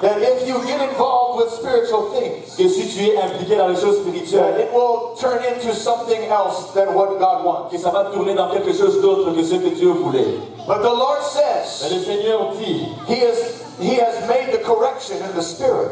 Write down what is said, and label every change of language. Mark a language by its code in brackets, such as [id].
[en] that if you get involved with spiritual things, [fr] que si tu es impliqué dans les choses spirituelles, [en] it will turn into something else than what God wants. [fr] Que ça va tourner dans quelque chose d'autre que ce que Dieu voulait. [en] But the Lord says, [fr] mais le Seigneur dit, [en] He has made the correction in the spirit.